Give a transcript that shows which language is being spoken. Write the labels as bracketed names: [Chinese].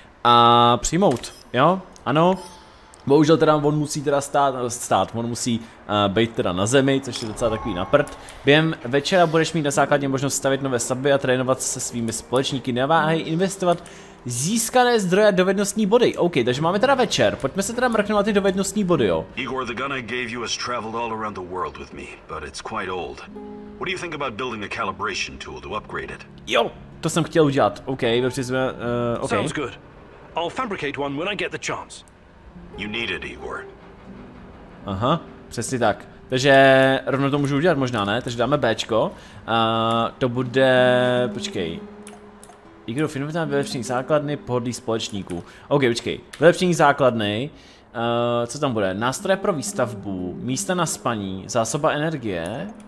[Czech] A přijmout, jo, ano. Bohužel teda on musí teda stát, on musí být teda na zemi, což je docela takový naprd. Během večera budeš mít na základě možnost stavit nové stavby a trénovat se svými společníky. Neváhej investovat získané zdroje a dovednostní body. OK, takže máme teda večer, pojďme se teda mrknout na ty dovednostní body, jo. [English] Igor, the gun I gave you has traveled all around the world with me, but it's quite old. What do you think about building a calibration tool to upgrade it? [Czech] Jo, to jsem chtěl udělat. OK, dobře, jsme, OK. [English] Sounds good. I'll fabricate one when I get the chance. You need it, Igor. [Czech] Aha, přesně tak. Takže rovno to můžu udělat možná, ne? Takže dáme Bčko. To bude, počkej. Igor, finu tam vylepšení základny pohodlí společníků. OK, počkej. Vylepšení základny. Co tam bude? Nástroje pro výstavbu, místa na spaní, zásoba energie.